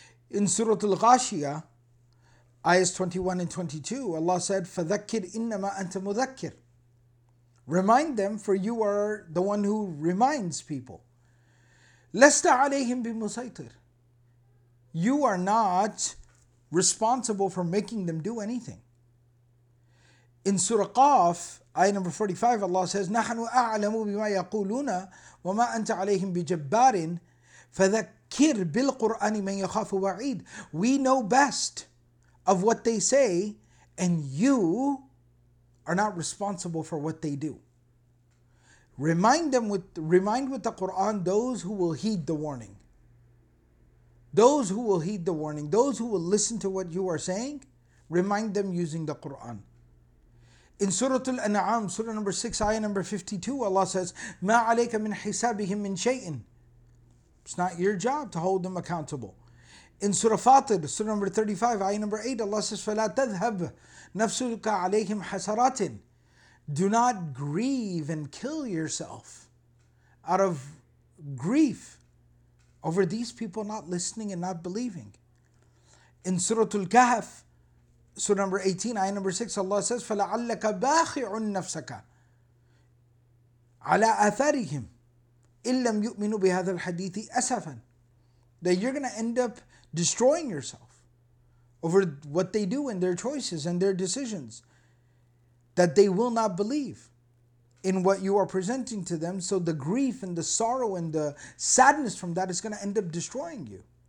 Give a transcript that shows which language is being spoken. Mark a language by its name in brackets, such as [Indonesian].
[English] In Surah Al-Ghashiyah, Ayahs 21 and 22, Allah said, [Arabic] فَذَكِّرْ إِنَّمَا أَنْتَ مُذَكِّرٍ. [English] Remind them, for you are the one who reminds people. [Arabic] لَسْتَ عَلَيْهِمْ بِمُسَيْطِرٍ. [English] You are not responsible for making them do anything. In Surah Qaf, ayah number 45, Allah says, [Arabic] نَحْنُ أَعْلَمُ بِمَا يَقُولُونَ وَمَا أَنْتَ عَلَيْهِمْ بِجَبَّارٍ. فَذَكِّرْ بِالْقُرْآنِ مَنْ يَخَافُ وَعِيدٍ. [English] We know best of what they say, and you are not responsible for what they do. Remind with the Quran those who will heed the warning. Those who will heed the warning, those who will listen to what you are saying, remind them using the Quran. In Surah Al-An'am, Surah number 6, Ayah number 52, Allah says, [Arabic] مَا عَلَيْكَ مِنْ حِسَابِهِمْ مِنْ شَيْءٍ. [English] It's not your job to hold them accountable. In Surah Fatir, Surah number 35, Ayah number 8, Allah says, [Arabic] فَلَا تَذْهَبْ نَفْسُكَ عَلَيْهِمْ حَسَرَاتٍ. [English] Do not grieve and kill yourself out of grief over these people not listening and not believing. In Surah Al-Kahf, Surah number 18, Ayah number 6, Allah says, [Arabic] فَلَعَلَّكَ بَاخِعٌ نَفْسَكَ عَلَىٰ أَثَارِهِمْ إِن لَمْ يُؤْمِنُوا بِهَذَا الْحَدِيثِ أَسَفًا. [English] That you're going to end up destroying yourself over what they do and their choices and their decisions, that they will not believe in what you are presenting to them. So the grief and the sorrow and the sadness from that is going to end up destroying you.